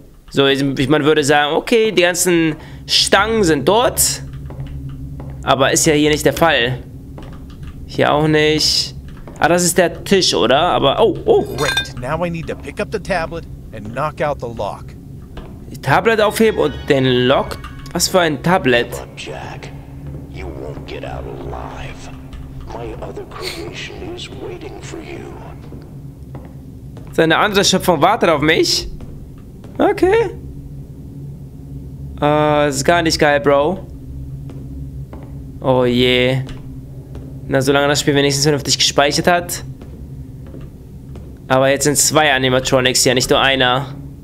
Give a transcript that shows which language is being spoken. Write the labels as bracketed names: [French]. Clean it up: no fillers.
[German] So, man würde sagen, okay, die ganzen Stangen sind dort. Aber ist ja hier nicht der Fall. Hier auch nicht. Ah, das ist der Tisch, oder? Aber, Tablet aufheben und den Lock. Was für ein Tablet? [English] Jack, you won't get out alive. My other creation is waiting for you. [German] Seine andere Schöpfung wartet auf mich. Okay. Das ist gar nicht geil, Bro. Oh je. Na, solange das Spiel wenigstens vernünftig gespeichert hat. Aber jetzt sind zwei Animatronics hier, nicht nur einer.